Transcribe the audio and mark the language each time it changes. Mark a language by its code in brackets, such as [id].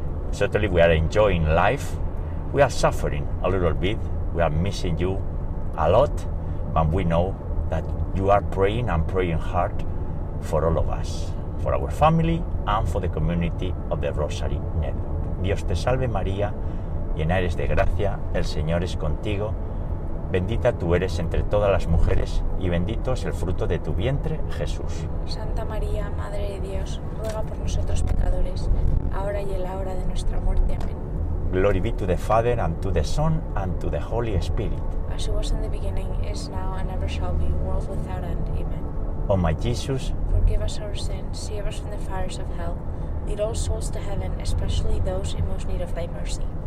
[en] Certainly, we are enjoying life. We are suffering a little bit. We are missing you a lot, but we know that you are praying and praying hard for all of us, for our family and for the community of the Rosary Network. [es] Dios te salve, María. Llena eres de gracia, el Señor es contigo. Bendita tú eres entre todas las mujeres y bendito es el fruto de tu vientre, Jesús. Santa María, Madre de Dios, ruega por nosotros pecadores, ahora y en la hora de nuestra muerte. Amén. [en] Glory be to the Father, and to the Son, and to the Holy Spirit. As it was in the beginning, is now, and ever shall be, world without end. Amen. O my Jesus, forgive us our sins, save us from the fires of hell. Lead all souls to heaven, especially those in most need of thy mercy.